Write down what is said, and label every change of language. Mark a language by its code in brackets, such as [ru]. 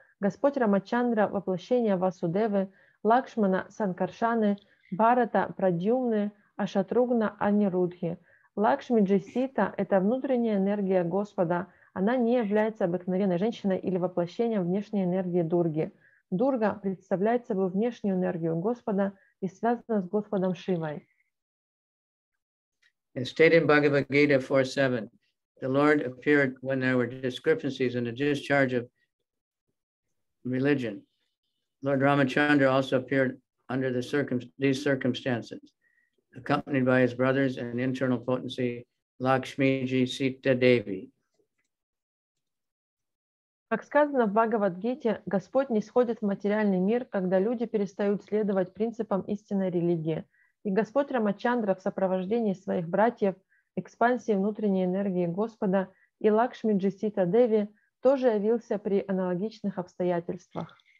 [ru] Господь Рамачандра – воплощение Васудевы, Лакшмана – Санкаршаны, Бхарата – Прадьюмны, а Шатругна – Анирудхи. Лакшмиджи Сита – это внутренняя энергия Господа. Она не является обыкновенной женщиной или воплощением внешней энергии Дурги. Дурга представляет собой внешнюю энергию Господа и связана с Господом Шивой. [en] As stated in Bhagavad Gita 4.7, the Lord appeared when there were discrepancies in the discharge of religion. Lord Ramachandra also appeared under these circumstances, accompanied by his brothers and internal potency, Lakshmiji Sita Devi. [ru] Как сказано в Бхагавад-гите, Господь нисходит в материальный мир, когда люди перестают следовать принципам истинной религии. И Господь Рамачандра в сопровождении своих братьев, экспансии внутренней энергии Господа и Лакшмиджи Сита Деви тоже явился при аналогичных обстоятельствах.